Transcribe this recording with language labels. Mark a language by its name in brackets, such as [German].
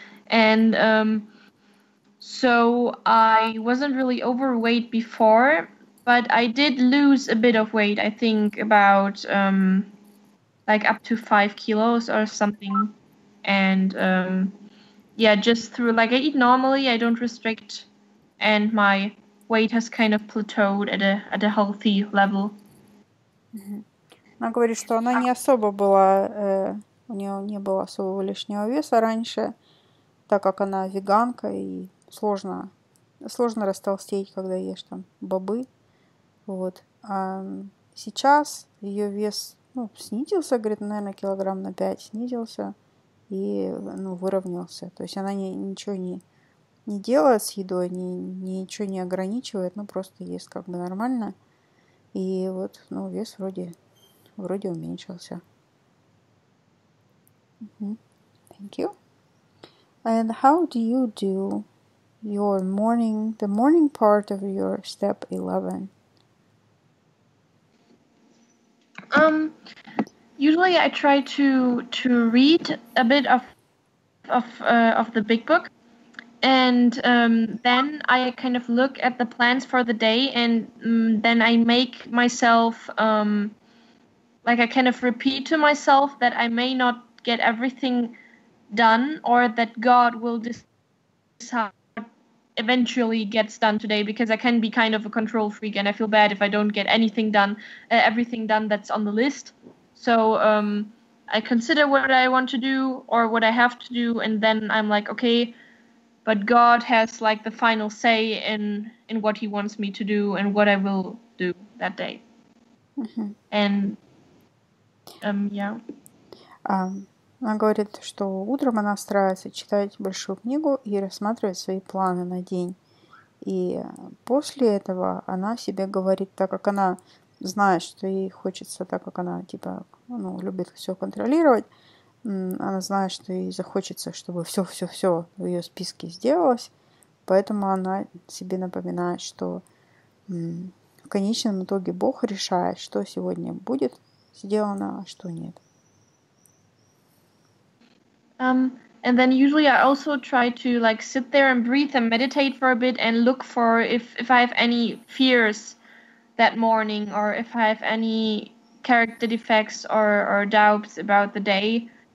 [English] And so I wasn't really overweight before, but I did lose a bit of weight, I think about like up to 5 kilos or something. And yeah, just through like I eat normally, I don't restrict, and my weight has kind of plateaued at a healthy level. Mm-hmm. [Russian] Она говорит, что она не особо была, у нее не было особого лишнего веса раньше, так как она веганка и сложно растолстеть, когда ешь там бобы. Вот. А сейчас ее вес, ну, снизился, говорит, наверное, килограмм на 5 снизился и, ну, выровнялся. То есть она ничего не делает с едой, ничего не ограничивает, ну, просто ест как бы нормально. И вот, ну, вес вроде уменьшился. [English] Mm-hmm. Thank you. And how do you do your morning, the morning part of your step 11? Usually I try to read a bit of the big book, and then I kind of look at the plans for the day, and then I make myself like I kind of repeat to myself that I may not get everything done, or that God will decide eventually gets done today, because I can be kind of a control freak and I feel bad if I don't get anything done, everything done that's on the list. So I consider what I want to do or what I have to do, and then I'm like, okay, but God has like the final say in what he wants me to do and what I will do that day. Mm-hmm. And yeah. [Russian] Она говорит, что утром она старается читать большую книгу и рассматривать свои планы на день. И после этого она себе говорит, так как она знает, что ей хочется, так как она типа, ну, любит все контролировать, она знает, что ей захочется, чтобы все-все-все в ее списке сделалось. Поэтому она себе напоминает, что в конечном итоге Бог решает, что сегодня будет сделано, а что нет. [English] And then usually I also try to like sit there and breathe and meditate for a bit and look for if I have any fears that morning, or if I have any character defects or doubts about the day.